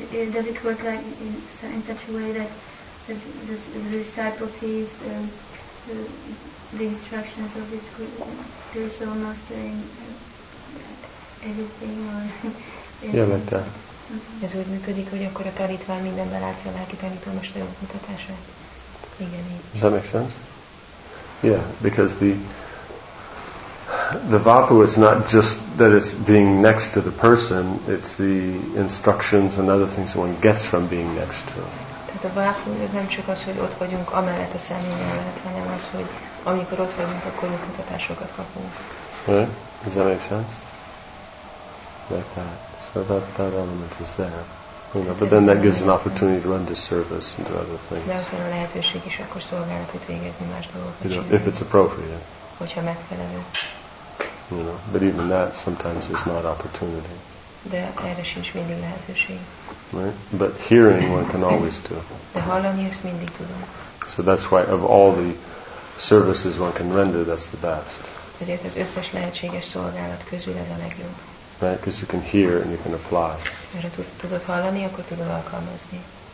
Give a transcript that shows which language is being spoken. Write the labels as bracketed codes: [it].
[en] Does it work like in such a way that the disciple sees the instructions of his spiritual master in everything? [hu] Ez úgy működik, hogy akkor a tanítvány mindenben látja a lelki tanítómester útmutatását. Igen, így. [en] Does that make sense? Yeah, because the Vapu is not just that it's being next to the person, it's the instructions and other things that one gets from being next to. [hu] Tehát a Vapu nem csak az, hogy ott vagyunk amellett a személy mellett, hanem az, hogy amikor ott vagyunk, akkor útmutatásokat kapunk. [en] Right? Does that make sense? Like that. So that element is there. You know, but then that gives an opportunity to run to service and do other things. [hu] De aztán a lehetőség is akkor szolgálatot végezni más dolgokat. [en] You know, if it's appropriate. [hu] Hogyha megfelelő. [en] You know, but even that sometimes is not opportunity. [hu] De erre sincs mindig lehetőség. [en] Right? But hearing one can always do. [hu] De hallani ezt mindig tudom. [en] So that's why of all the services one can render, that's the best. [hu] Ezért az összes lehetséges szolgálat közül ez a legjobb. [en] Right, because you can hear and you can apply. [hu] Mert ha tudod hallani, akkor tudod alkalmazni.